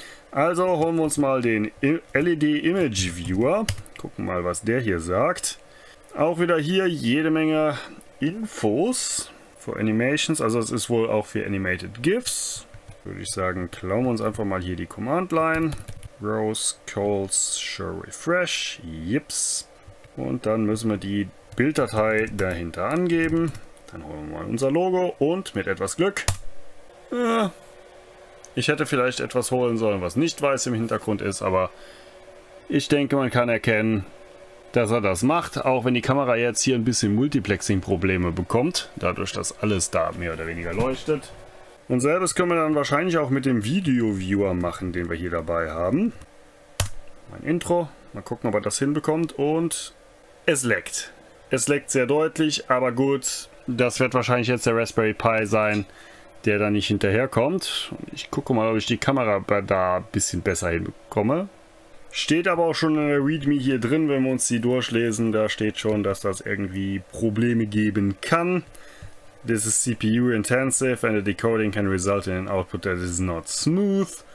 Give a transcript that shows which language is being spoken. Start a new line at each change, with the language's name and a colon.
German: Also holen wir uns mal den LED Image Viewer. Gucken mal, was der hier sagt. Auch wieder hier jede Menge Infos für Animations. Also es ist wohl auch für Animated GIFs. Würde ich sagen, klauen wir uns einfach mal hier die Command Line. Rose calls show refresh. Yips. Und dann müssen wir die Bilddatei dahinter angeben. Dann holen wir mal unser Logo und mit etwas Glück. Ich hätte vielleicht etwas holen sollen, was nicht weiß im Hintergrund ist, aber ich denke, man kann erkennen, dass er das macht, auch wenn die Kamera jetzt hier ein bisschen Multiplexing-Probleme bekommt, dadurch, dass alles da mehr oder weniger leuchtet. Und selbes können wir dann wahrscheinlich auch mit dem Video-Viewer machen, den wir hier dabei haben. Mein Intro. Mal gucken, ob er das hinbekommt. Und es leckt. Es leckt sehr deutlich, aber gut. Das wird wahrscheinlich jetzt der Raspberry Pi sein, der da nicht hinterherkommt. Ich gucke mal, ob ich die Kamera da ein bisschen besser hinbekomme. Steht aber auch schon in der README hier drin, wenn wir uns die durchlesen. Da steht schon, dass das irgendwie Probleme geben kann.
English: This is CPU intensive and the decoding can result in an output that is not smooth.